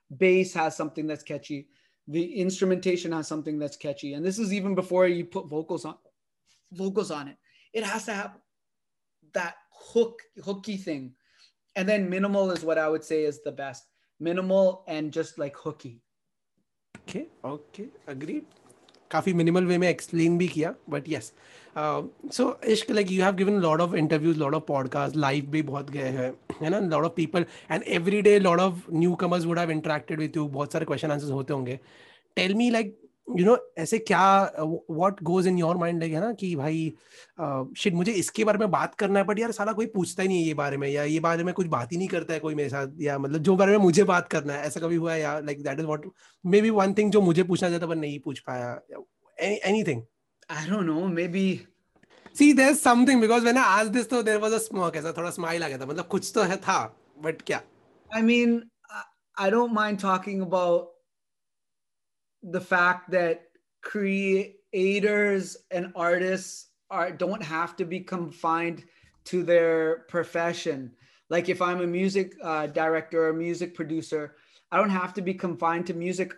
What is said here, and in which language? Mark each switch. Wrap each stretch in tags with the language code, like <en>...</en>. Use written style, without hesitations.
<en>Bass has something that's catchy. The instrumentation has something that's catchy. And this is even before you put vocals on it. It has to have that hooky thing. And then minimal is what I would say is the best. Minimal and just like hooky. Okay, agreed.</en> <hi>काफी minimal वे में explain भी किया</hi> <en>but yes so इश्क like you have given lot of interviews lot of podcast</en> <hi>live भी बहुत गए हैं है ना</hi> <en>lot of people and every day lot of newcomers would have interacted with you</en> <hi>बहुत सारे क्वेश्चन आंसर्स होते होंगे</hi> <en>tell me like you know ऐसे क्या what goes in your mind like</en> <hi>है ना कि भाई शिट मुझे इसके बारे में बात करना है बट यार साला कोई पूछता ही नहीं है ये बारे में या ये बारे में कुछ बात ही नहीं करता है कोई मेरे साथ या मतलब जो बारे में मुझे बात करना है ऐसा कभी हुआ है या like</hi> <en>that is what maybe one thing</en> <hi>जो मुझे पूछना चाहता पर नहीं पूछ पाया anything</hi> <en>I don't know maybe see there is something because when I asked this तो there was a smoke</en> <hi>ऐसा थोड़ा स्माइल आ गया था मतलब कुछ तो है था बट क्या</hi> <en>I mean I don't mind talking about the fact that creators and artists don't have to be confined to their profession. Like if I'm a music director or a music producer, I don't have to be confined to music.</en>